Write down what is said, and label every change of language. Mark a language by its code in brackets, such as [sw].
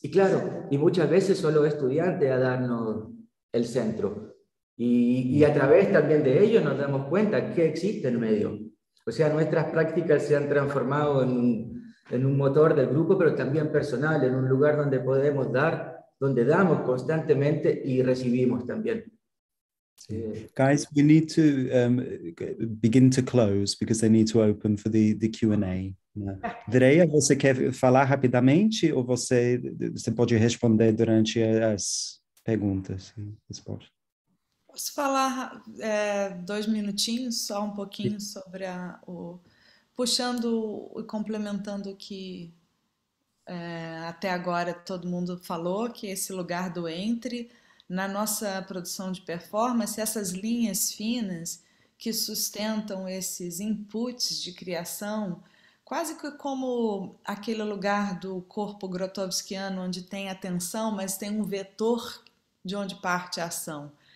[es] Y claro, y muchas veces solo estudiante a darnos el centro y a través también de ello nos damos cuenta que existe en medio. O sea, nuestras prácticas se han transformado en un motor del grupo, pero también personal, en un lugar donde podemos dar, donde damos constantemente y recibimos también. [en] Guys, we need to begin to close because they need to open for the Q&A. [pt] Andrea, você quer falar rapidamente ou você pode responder durante as perguntas e respostas? Posso falar dois minutinhos, só um pouquinho sobre o puxando e complementando o que até agora todo mundo falou, que esse lugar do entre na nossa produção de performance, essas linhas finas que sustentam esses inputs de criação, quase que como aquele lugar do corpo grotowskiano onde tem a tensão, mas tem um vetor de onde parte a ação.